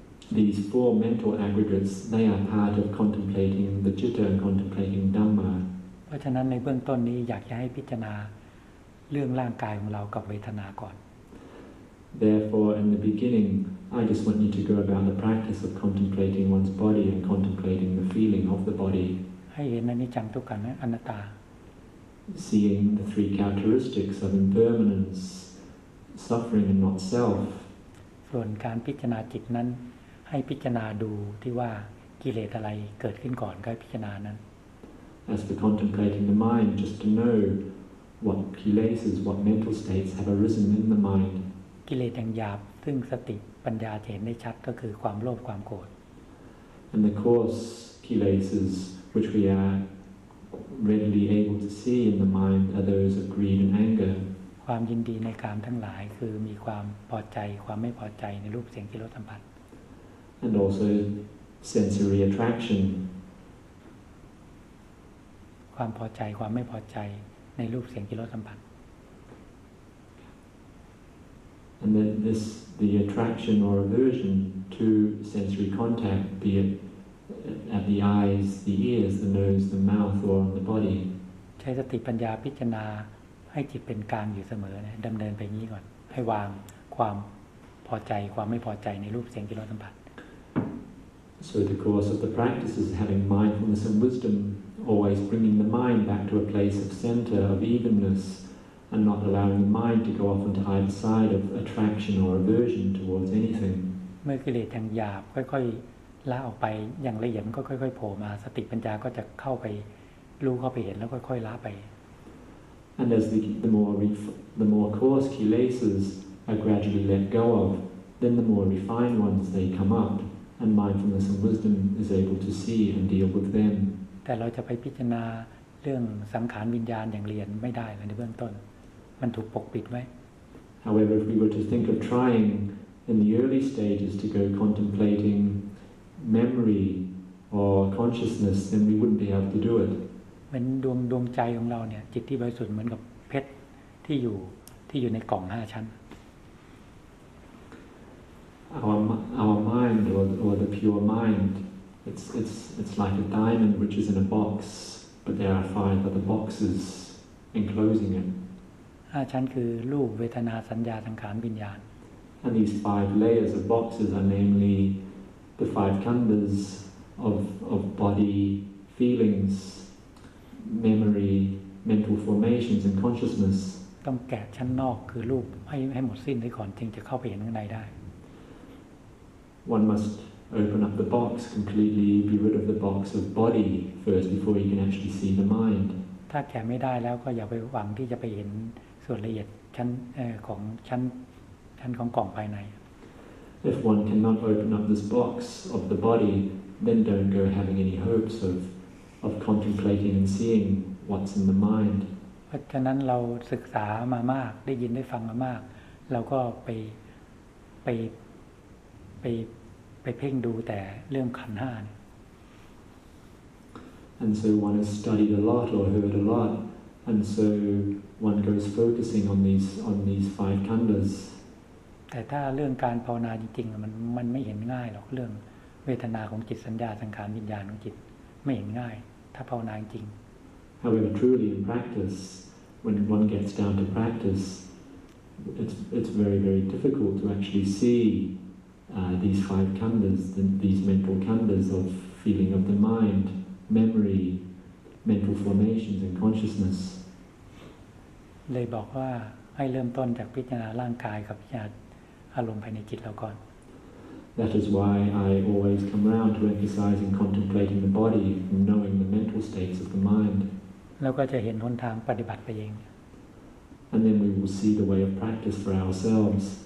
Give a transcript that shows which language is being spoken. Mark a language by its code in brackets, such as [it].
[en] These four mental aggregates, they are part of contemplating the citta and contemplating dhamma. [th] เพราะฉะนั้นในเบื้องต้นนี้อยากจะให้พิจารณาเรื่องร่างกายของเรากับเวทนาก่อน [en] Therefore, in the beginning, I just want you to go about the practice of contemplating one's body and contemplating the feeling of the body. [th] ให้เห็นอนิจจังทุกขังอนัตตา [en] Seeing the three characteristics of impermanence, suffering and not self. [th] ส่วนการพิจารณาจิตนั้นให้พิจารณาดูที่ว่ากิเลสอะไรเกิดขึ้นก่อนก็พิจารณานั้น [en] As for contemplating the mind just to know what kilesas what mental states have arisen in the mind [th] กิเลสอย่างหยาบซึ่งสติปัญญาเห็นได้ชัดก็คือความโลภความโกรธ [en] And the coarse kilesas which we are readily able to see in the mind are those of greed and anger. [th] ความยินดีในกามทั้งหลายคือมีความพอใจความไม่พอใจในรูปเสียงกลิ่นรสสัมผัส [en] And also sensory attraction. [th] ความพอใจความไม่พอใจในรูปเสียงกลิ่นรสสัมผัส [en] And then this the attraction or aversion to sensory contact, be it at the eyes, the ears, the nose, the mouth, or on the body. [th] ใช้สติปัญญาพิจารณาให้จิตเป็นกลางอยู่เสมอนะดำเนินไปงี้ก่อนให้วางความพอใจความไม่พอใจในรูปเสียงกลิ่นรสสัมผัส [en] So the course of the practice is having mindfulness and wisdom, always bringing the mind back to a place of center of evenness, and not allowing the mind to go off onto either side of attraction or aversion towards anything. [th] เมื่อกิเลสทางหยาบค่อยๆละออกไปอย่างละเอียดมันก็ค่อยๆโผล่มาสติปัญญาก็จะเข้าไปรู้เข้าไปเห็นแล้วค่อยๆละไป [en] And as the more coarse kilesas are gradually let go of, then the more refined ones they come up, and mindfulness and wisdom is able to see and deal with them. [th] แต่เราจะไปพิจารณาเรื่องสังขารวิญญาณอย่างละเอียดไม่ได้ในเบื้องต้นมันถูกปกปิดไว้ [en] However, if we were to think of trying in the early stages to go contemplating memory or consciousness, then we wouldn't be able to do it. [th] เป็นดวงใจของเราเนี่ยจิตที่บริสุทธิ์เหมือนกับเพชรที่อยู่ในกล่องห้าชั้น [en] our mind or the pure mind it's like a diamond which is in a box but there are five other boxes enclosing it [th] ห้าชั้นคือรูปเวทนาสัญญาสังขารวิญญาณ [en] and these five layers of boxes are namely the five khandhas of body feelingsmemory mental formations and consciousness [th] ต้องแกะชั้นนอกคือรูปให้หมดสิ้นได้ก่อนถึงจะเข้าไปเห็นข้างในได้ [en] one must open up the box completely be rid of the box of body first before you can actually see the mind [th] ถ้าแกะไม่ได้แล้วก็อย่าไปหวังที่จะไปเห็นส่วนละเอียดชั้นของกล่องภายใน [en] if one cannot open up this box of the body then don't go having any hopes of contemplating and seeing what's in the mind. [th] เพราะฉะนั้นเราศึกษามามากได้ยินได้ฟังมามากเราก็ไปเพ่งดูแต่เรื่องขันธ์5 [en] And so one has studied a lot or heard a lot and so one goes focusing on these five khandhas. [th] แต่ถ้าเรื่องการภาวนาจริงๆมันไม่เห็นง่ายหรอกเรื่องเวทนาของจิตสัญญาสังขารวิญญาณของจิตไม่เห็นง่ายถ้าภาวนาจริง [en] However, truly in practice, when one gets down to practice, it's very, very difficult to actually see these five khandhas, these mental khandhas of feeling of the mind, memory, mental formations, and consciousness. [th] เลยบอกว่าให้เริ่มต้นจากพิจารณาร่างกายกับพิจารณาอารมณ์ภายในจิตเราก่อน [en] That is why I always come round to emphasizing contemplating the body, knowing the mental states of the mind. [th] แล้วก็จะเห็นหนทางปฏิบัติไปเอง [en] And then we will see the way of practice for ourselves.